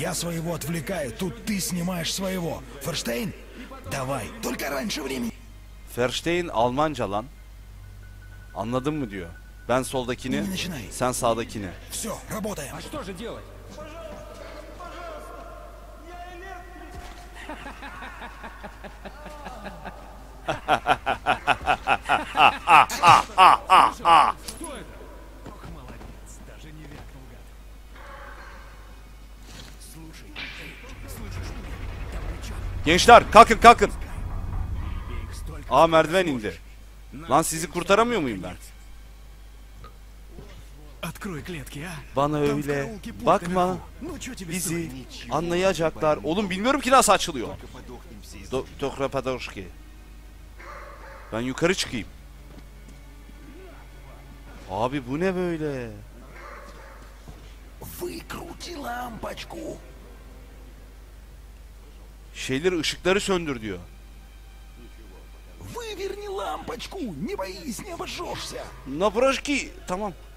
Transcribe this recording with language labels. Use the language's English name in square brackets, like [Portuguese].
[Russian] Я своего отвлекаю, тут ты снимаешь своего. Ферштейн? Давай, только раньше времени. [Turkish] Ферштейн Almanca lan. Anladın mı diyor? Ben soldakini, sen sağdakini. [Russian] Всё, работаем. А что же делать? [Turkish] Gençler kalkın kalkın. Aa merdiven indi. Lan sizi kurtaramıyor muyum ben? Bana öyle bakma. Bizi anlayacaklar. Oğlum bilmiyorum ki nasıl açılıyor. Tokrapadoşki. Ben yukarı çıkayım. Abi bu ne böyle? [Russian] Выкрути лампочку. [Turkish] Şeyleri, ışıkları söndür diyor. [Russian] Выверни лампочку, не боись, не обожжёшься. На порожки, [Turkish] tamam.